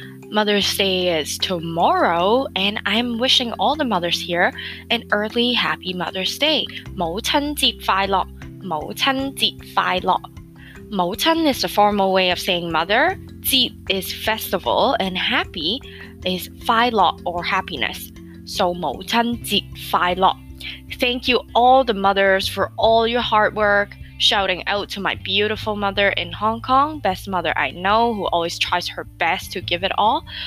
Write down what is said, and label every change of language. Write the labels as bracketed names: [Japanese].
[English] Mother's Day is tomorrow, and I'm wishing all the mothers here an early Happy Mother's Day. [Chinese] 母亲节快乐，母亲节快乐。 [English] 母亲 is a formal way of saying mother. 节 is festival, and happy is 快乐 or happiness. [Chinese] So 母亲节快乐。 [English] Thank you all the mothers for all your hard work. Shouting out to my beautiful mother in Hong Kong, best mother I know, who always tries her best to give it all.